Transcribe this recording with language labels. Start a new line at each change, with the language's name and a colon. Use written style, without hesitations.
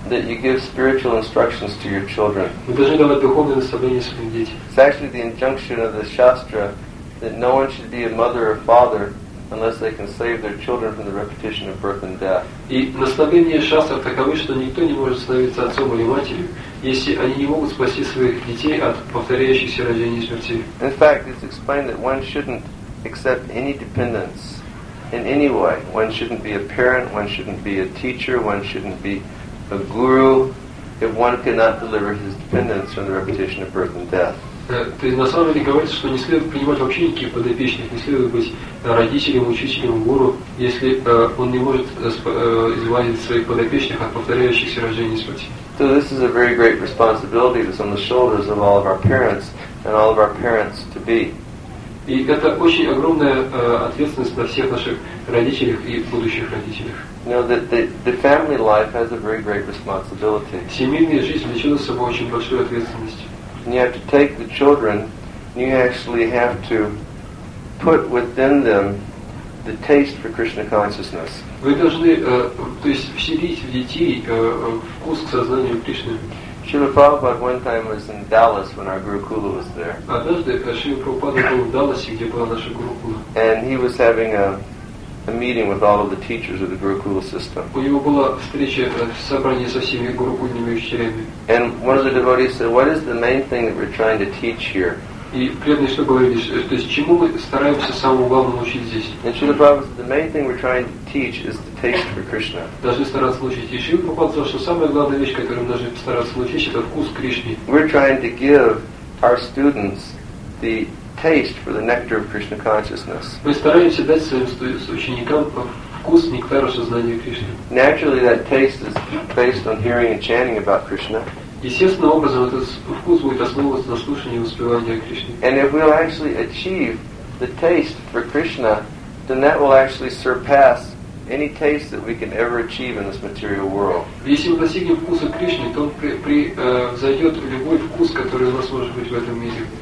English: That you give spiritual instructions to your children.
Russian: Вы должны давать духовное наставление своим детям.
English: It's actually the injunction of the Shastra that no one should be a mother or father unless they can save their children from the repetition of birth and death.
Russian: И наставление шастр таковы, что никто не может становиться отцом или матерью, если они не могут спасти своих детей от повторяющихся рождений и смерти.
English: In fact, it's explained that one shouldn't accept any dependence in any way. One shouldn't be a parent, one shouldn't be a teacher, one shouldn't be a guru if one cannot deliver his dependence from the repetition of birth and death.
Russian: То есть на самом деле говорится, что не следует принимать вообще никаких подопечных, не следует быть родителем, учителем, гуру, если он не может избавить своих подопечных от повторяющихся рождений и смерти.
English: So this is a very great responsibility that's on the shoulders of all of our parents and all of our parents-to-be.
Russian: И это очень огромная ответственность на всех наших родителях и будущих родителях.
English: You know, the family life has a very great responsibility.
Russian: Семейная жизнь влечет за собой очень большую ответственность.
English: And you have to take the children, and you actually have to put within them the taste for Krishna consciousness.
Russian: Вы должны, то есть, вселить в детей вкус к сознанию Кришны.
English: Srila Prabhupada one time was in Dallas when our Gurukula was there.
Russian: Однажды Srila Prabhupada был в Далласе, где была наша Гурукула.
English: And he was having a meeting with all of the teachers of the Gurukula system.
Russian: У него была встреча, собрание со всеми гурукульными учителями.
English: And one of the devotees said, "What is the main thing that we're trying to teach here?"
Russian: И преданный что говорили, то есть чему мы стараемся самому главному учить здесь?
English: And Srila Prabhupada said, "The main thing we're trying to teach is the taste for Krishna."
Russian: Должны стараться учить. И Srila Prabhupada сказал, что самая главная вещь, которую мы должны стараться учить, это вкус Кришны.
English: We're trying to give our students the taste for the nectar of Krishna consciousness.
Russian: Мы стараемся дать своим ученикам вкус нектара сознания Кришны.
English: Naturally, that taste is based on hearing and chanting about Krishna.
Russian: Естественным образом этот вкус будет основываться на слушании и воспевании Кришны.
English: And if we'll actually achieve the taste for Krishna, then that will actually surpass any taste that we can ever achieve in this material world.
Russian: Если мы достигнем вкуса Кришны, то он превзойдет любой вкус, который у нас может быть в этом мире.